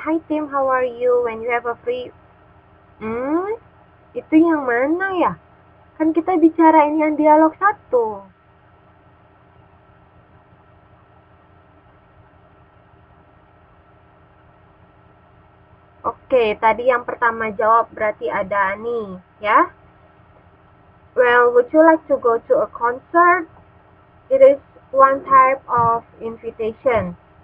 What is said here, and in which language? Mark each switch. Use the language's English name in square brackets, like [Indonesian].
[English] Hi team, how are you when you have a free... [Indonesian] Itu yang mana ya? Kan kita bicarain yang dialog satu. Oke, tadi yang pertama jawab berarti ada Ani, ya. [English] Well, would you like to go to a concert? It is one type of invitation.